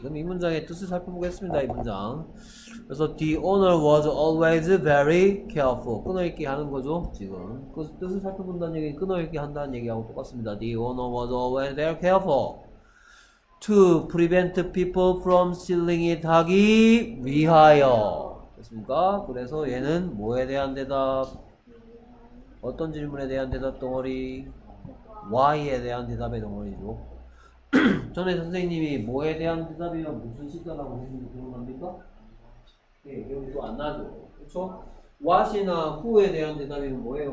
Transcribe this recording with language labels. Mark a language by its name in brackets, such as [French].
[Korean] 그럼 이 문장의 뜻을 살펴보겠습니다. 이 문장. 그래서 [English] the owner was always very careful. [Korean] 끊어읽기 하는 거죠. 지금. 그 뜻을 살펴본다는 얘기는 끊어읽기 한다는 얘기하고 똑같습니다. [English] the owner was always very careful to prevent people from stealing it [Korean] 하기 위하여. 됐습니까? 그래서 얘는 뭐에 대한 대답? 어떤 질문에 대한 대답 덩어리? Y에 대한 대답의 덩어리죠. 전에 선생님이 뭐에 대한 대답이면 무슨 식사라고 했는지 기억납니까? 예, 기억이 또 안 나죠. 그쵸? What이나 who에 대한 대답이면 뭐예요?